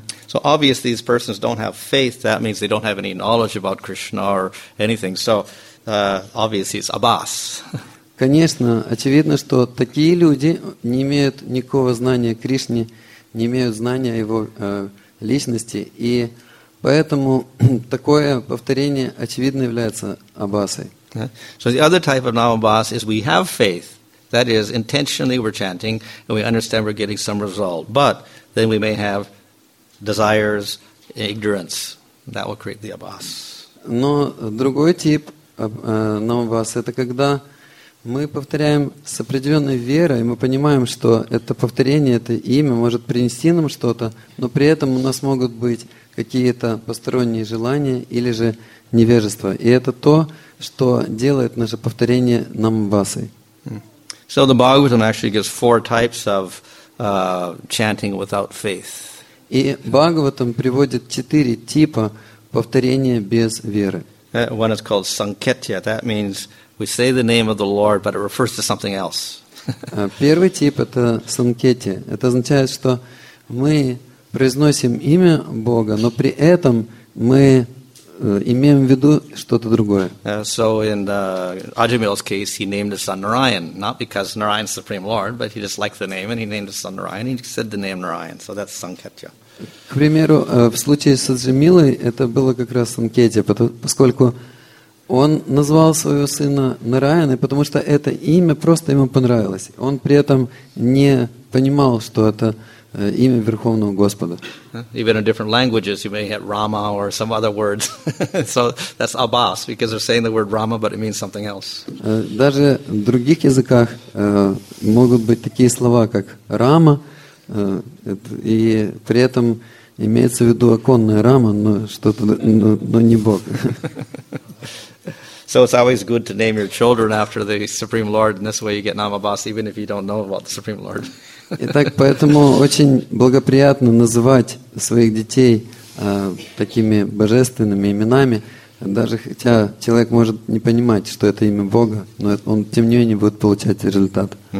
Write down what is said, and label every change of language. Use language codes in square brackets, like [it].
[en] So obviously these persons don't have faith, that means they don't have any knowledge about Krishna or anything. So obviously it's abas. [ru] Конечно, очевидно, что такие люди не имеют никакого знания о Кришне, не имеют знания о его личности, и поэтому такое повторение очевидно является абасой. [en] So the other type of Namabas is we have faith. That is, intentionally we're chanting and we understand we're getting some result. But then we may have desires, ignorance. That will create the abas. [ru] Но другой тип намабас – это когда мы повторяем с определенной верой, мы понимаем, что это повторение, это имя может принести нам что-то, но при этом у нас могут быть какие-то посторонние желания или же невежество. И это то, что делает наше повторение намбасой. [en] So the Bhagavatam actually gives four types of chanting without faith. [ru] И Бхагаватам приводит четыре типа повторения без веры. [en] One is called Sankhetya. That means we say the name of the Lord, but it refers to something else. [ru] Первый тип – это Sankhetya. Это означает, что мы произносим имя Бога, но при этом мы имеем в виду что-то другое. [en] So in Ajamil's case, he named his son Narayan, not because Narayan is Supreme Lord, but he just liked the name, and he named his son Narayan, and he said the name Narayan. So that's Sankhetya. [ru] К примеру, в случае с Аджамилой это было как раз Санкетия, поскольку он назвал своего сына Нараян, и потому что это имя просто ему понравилось. Он при этом не понимал, что это имя Верховного Господа. [en] Even in different languages, you may have Rama or some other words. So that's Abbas, because they're saying the word Rama, but it means something else. [ru] Даже в других языках могут быть такие слова, как Рама, и при этом имеется в виду оконная рама, но что-то, но не Бог. [en] So it's always good to name your children after the Supreme Lord, and this way you get Namabhas, even if you don't know about the Supreme Lord. [ru] Итак, поэтому очень благоприятно называть своих детей такими божественными именами, даже хотя человек может не понимать, что это имя Бога, но он тем не менее будет получать результат.